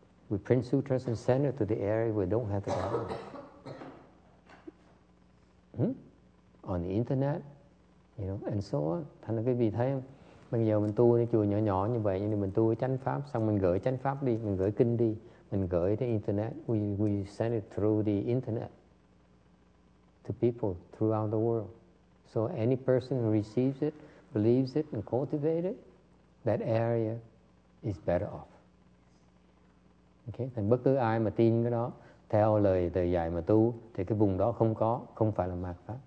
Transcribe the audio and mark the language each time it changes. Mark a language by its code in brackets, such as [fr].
[en] We print sutras and send it to the area where we don't have the Dharma. On the internet, you know, and so on. [vi] Thành ra quý vị thấy không? Bây giờ mình tu ở chùa nhỏ nhỏ như vậy, nhưng mình tu ở chánh pháp, xong mình gửi chánh pháp đi, mình gửi kinh đi, mình gửi trên internet. [en] We send it through the internet to people throughout the world. So any person who receives it, believes it, and cultivates it, that area is better off. Okay? [vi] Thành bất cứ ai mà tin cái đó, theo lời thầy dạy mà tu thì cái vùng đó không có, không phải là mạt pháp.